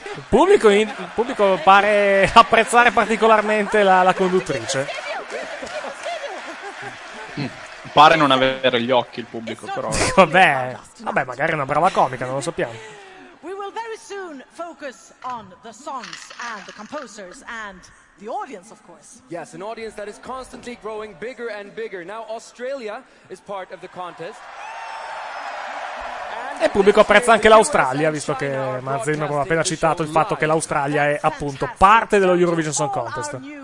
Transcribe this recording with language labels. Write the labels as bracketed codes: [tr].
[it] Il pubblico pare apprezzare particolarmente la conduttrice. Pare non avere gli occhi il pubblico, però. Vabbè, magari è una brava comica, non lo sappiamo. [en] We will very soon focus on the songs and the composers and the audience, of course. Yes, an audience that is constantly growing bigger and bigger. Now Australia is part of the contest. [it] E il pubblico apprezza anche l'Australia, visto che Mazzino aveva appena citato il fatto che l'Australia è appunto parte dello Eurovision Song Contest.